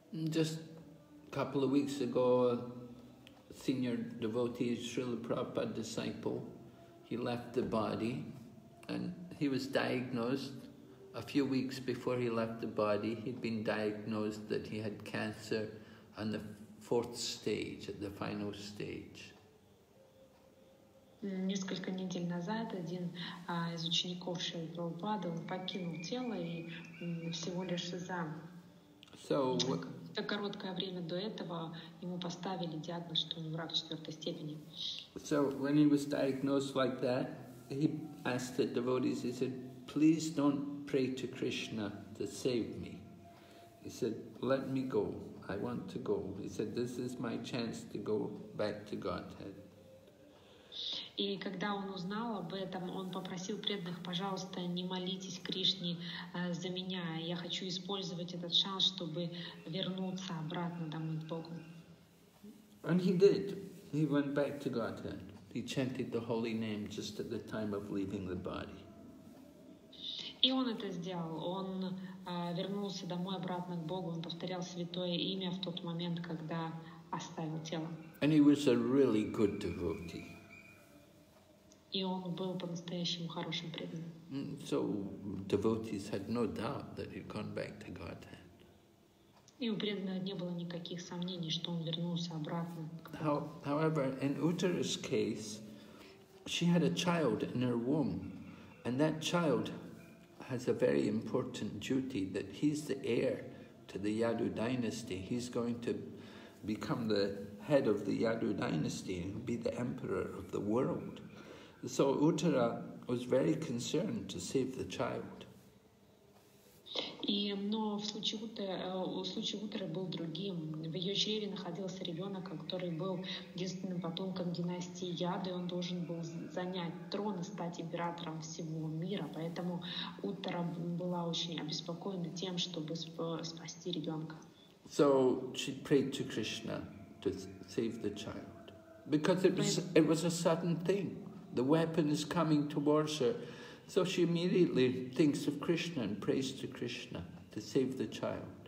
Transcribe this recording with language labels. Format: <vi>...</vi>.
<en>Just a couple of weeks ago, senior devotee, Srila Prabhupada disciple, he left the body, and he was diagnosed a few weeks before he left the body. He'd been diagnosed that he had cancer on the fourth stage, at the final stage.</en> <ru>Несколько недель назад один из учеников Шрилы Прабхупады покинул тело и всего лишь за...</ru> <en>So,</en> <ru>за короткое время до этого ему поставили диагноз, что он рак четвертой степени.</ru> <en>So when he was diagnosed like that, he asked the devotees, he said, please don't pray to Krishna to save me. He said, let me go, I want to go. He said, this is my chance to go back to Godhead.</en> <ru>И когда он узнал об этом, он попросил преданных, пожалуйста, не молитесь Кришне за меня. Я хочу использовать этот шанс, чтобы вернуться обратно домой к Богу.</ru> <en>And he did. He went back to Godhead. He chanted the holy name just at the time of leaving the body.</en> <ru>И он это сделал. Он вернулся домой обратно к Богу. Он повторял святое имя в тот момент, когда оставил тело.</ru> <en>And he was a really good devotee.</en> <ru>И он был по-настоящему хорошим преданным.</ru> <en>So devotees had no doubt that he'd gone back to Godhead.</en> <ru>И у преданного не было никаких сомнений, что он вернулся обратно.</ru> <en>However, in Uttara's case, she had a child in her womb, and that child has a very important duty, that he's the heir to the Yadu dynasty. He's going to become the head of the Yadu dynasty and be the emperor of the world. So Uttara was very concerned to save the child.</en> <ru>И, но в случае Уттары был другим. В ее чреве находился ребенок, который был единственным потомком династии Яды, и он должен был занять трон и стать императором всего мира. Поэтому Уттара была очень обеспокоена тем, чтобы спасти ребенка.</ru> <en>So she prayed to Krishna to save the child. Because it was a sudden thing. The weapon is coming towards her. So she immediately thinks of Krishna and prays to Krishna to save the child.</en>